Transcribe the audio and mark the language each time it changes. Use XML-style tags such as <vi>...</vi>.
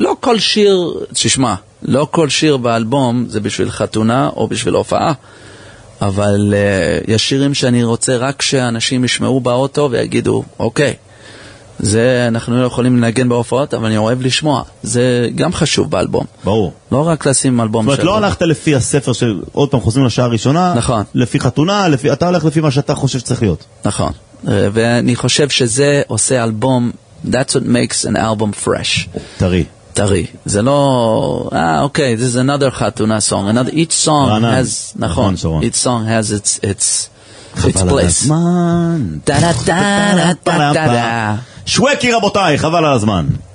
<he>לא כל שיר, תשמע, לא כל שיר באלבום זה בשביל חתונה או בשביל הופעה, אבל יש שירים שאני רוצה רק שאנשים ישמעו באוטו ויגידו, אוקיי, זה אנחנו לא יכולים לנגן בהופעות, אבל אני אוהב לשמוע. זה גם חשוב באלבום. ברור. לא רק לשים אלבום של... זאת אומרת, לא הלכת לפי הספר של... עוד פעם, חוזרים לשעה הראשונה. נכון. לפי חתונה, אתה הולך לפי מה שאתה חושב שצריך להיות. נכון. ואני חושב שזה עושה אלבום...</he> <en>That's what makes an album fresh.</en> <he>טרי. טרי. זה לא...</he> <en>אוקיי, this is another חתונה song. Another... Each song</en> <he>רענן.</he> <en>Has...</en> <he>נכון. נכון,</he> <en>each song has its place.</en> <he>הזמן. דה-דה-דה-דה-דה-דה-דה. שווקי רבותיי, חבל על הזמן.</he>